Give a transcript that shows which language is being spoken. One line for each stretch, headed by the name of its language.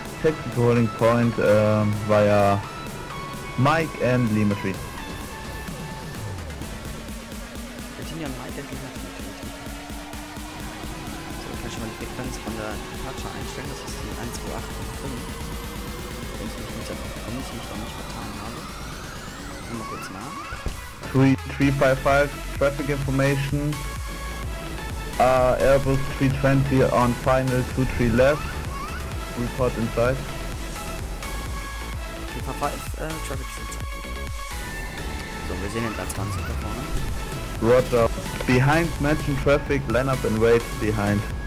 English: Taxi to Holding Point via Mike and Lima Tree.
German: Wir sind ja Mike and Lima Tree. So, ich kann schon mal die Frequenz von der Departure einstellen, das ist die 1285. Wenn ich mich nicht erkenne, ich mich da nicht vertan habe. Mal kurz nach.
English: 355, Traffic Information. Airbus 320 on final 23 left. Report inside. 355, Traffic inside.
German: So, wir sehen den Platz 20 da vorne.
English: Roger. Behind mention traffic, line up and wait behind.